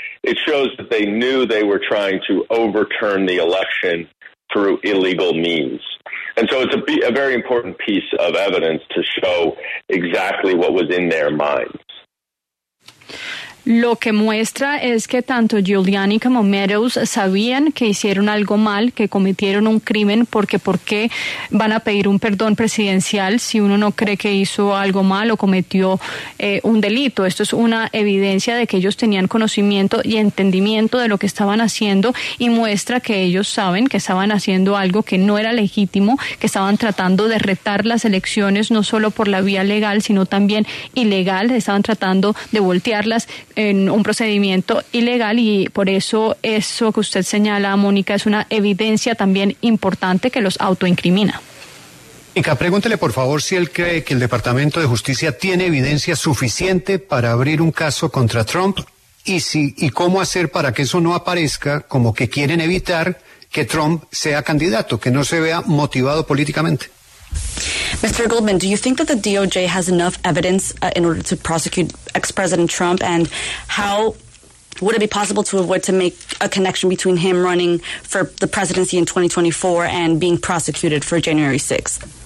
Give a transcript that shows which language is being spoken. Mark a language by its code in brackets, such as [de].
[en] It shows that they knew they were trying to overturn the election through illegal means. And so it's a very important piece of evidence to show exactly what was in their minds. [es] Lo que muestra es que tanto Giuliani como Meadows sabían que hicieron algo mal, que cometieron un crimen, porque ¿por qué van a pedir un perdón presidencial si uno no cree que hizo algo mal o cometió un delito? Esto es una evidencia de que ellos tenían conocimiento y entendimiento de lo que estaban haciendo y muestra que ellos saben que estaban haciendo algo que no era legítimo, que estaban tratando de retar las elecciones no solo por la vía legal, sino también ilegal, estaban tratando de voltearlas en un procedimiento ilegal y por eso que usted señala, Mónica, es una evidencia también importante que los autoincrimina. Mónica, pregúntele por favor si él cree que el Departamento de Justicia tiene evidencia suficiente para abrir un caso contra Trump y cómo hacer para que eso no aparezca como que quieren evitar que Trump sea candidato, que no se vea motivado políticamente. [en] Mr. Goldman, do you think that the DOJ has enough evidence in order to prosecute ex-President Trump? And how would it be possible to avoid to make a connection between him running for the presidency in 2024 and being prosecuted for January 6th?